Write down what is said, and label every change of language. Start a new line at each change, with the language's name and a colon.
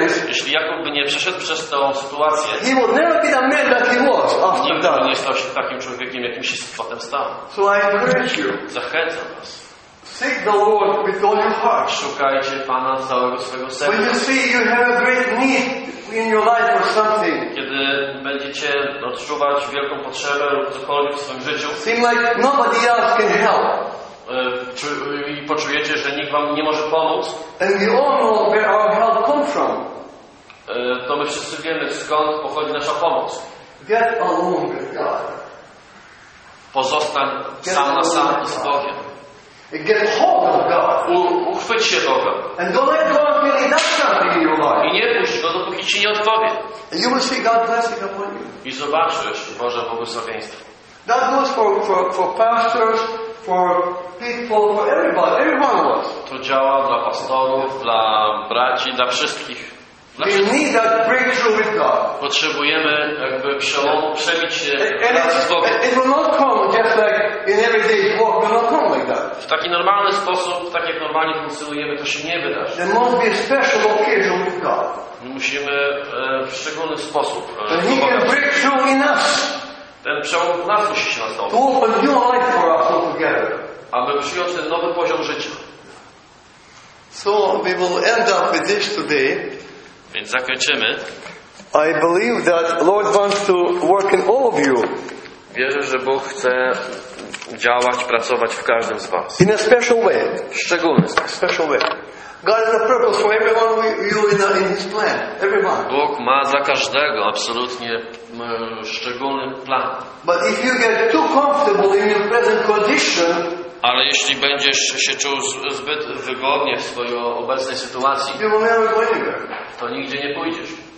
Polish: Jeśli Jakub by nie przeszedł przez tą sytuację, nigdy by nie stał się takim człowiekiem, jakim się potem stał. Zachęcam was.
English: Seek the Lord with all your heart.
Polish: Szukajcie Pana z całego swego serca.
English: When you see you have a great need in your life or something.
Polish: Kiedy będziecie odczuwać wielką potrzebę lub cokolwiek w swoim życiu.
English: Seem like nobody else can help.
Polish: I poczujecie, że nikt wam nie może pomóc.
English: And we all know where our help comes from.
Polish: To my wszyscy wiemy, skąd pochodzi nasza pomoc.
English: Get along with God.
Polish: Pozostań sam na sam z Bogiem.
English: Get hold of God.
Polish: Uchwyć się Boga.
English: And don't let God really knock something in your life.
Polish: I nie puść go, dopóki ci nie odpowie.
English: And you will see God blessing upon you.
Polish: I zobaczysz Boże błogosławieństwo.
English: That goes for pastors, for people, for everybody, everyone of us.
Polish: To działa dla pastorów, dla braci, dla wszystkich.
English: We need that breakthrough with God.
Polish: Potrzebujemy jakby przełomu, przebić się z Bogiem.
English: It will not come just like in everyday walk. It will not come like that.
Polish: W taki normalny sposób, tak jak normalnie funkcjonujemy, to się nie wydarzy.
English: There must be a special occasion with God.
Polish: Musimy w szczególny sposób.
English: And He can break through in us.
Polish: Ten przełom w nas musi się nastąpić.
English: To open new life for us all together.
Polish: Aby przyjąć ten nowy poziom życia.
English: So we will end up with this today.
Polish: Więc zakończymy.
English: I believe that Lord wants to work in all of you.
Polish: Wierzę, że Bóg chce działać, pracować w każdym z was.
English: In a special way.
Polish: Szczególny sposób.
English: Special way. God has a purpose for everyone of you in His plan. Everyone.
Polish: Bóg ma dla każdego absolutnie szczególny plan.
English: But if you get too comfortable in your present condition.
Polish: Ale jeśli będziesz się czuł zbyt wygodnie w swojej obecnej sytuacji, to nigdzie nie pójdziesz.